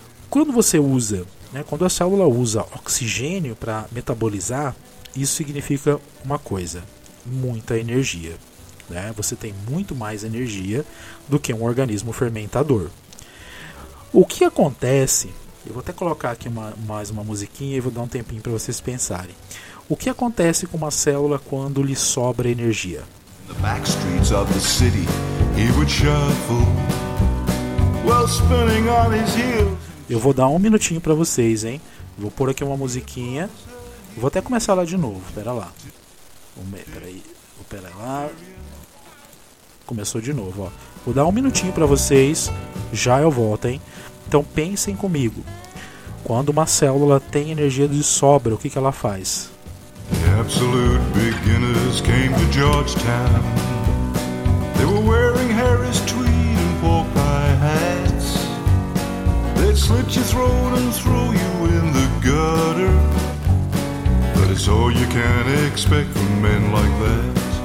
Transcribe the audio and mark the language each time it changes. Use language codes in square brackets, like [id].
[pt] Quando você usa, né, quando a célula usa oxigênio para metabolizar, isso significa uma coisa: muita energia, né? Você tem muito mais energia do que um organismo fermentador. O que acontece, eu vou até colocar aqui mais uma musiquinha e vou dar um tempinho para vocês pensarem. O que acontece com uma célula quando lhe sobra energia? [en] In the back streets of the city, he would shuffle, while spinning on his heels. [pt] Eu vou dar um minutinho para vocês, hein? Vou pôr aqui uma musiquinha. Vou até começar lá de novo, pera lá. Vou pera lá. Começou de novo, ó. Vou dar um minutinho para vocês, já eu volto, hein? Então pensem comigo. Quando uma célula tem energia de sobra, o que que ela faz? [en] The absolute beginners came to Georgetown. They were wearing Harris tweed and pork pie hats. They'd slit your throat and throw you in the gutter. But it's all you can expect from men like that.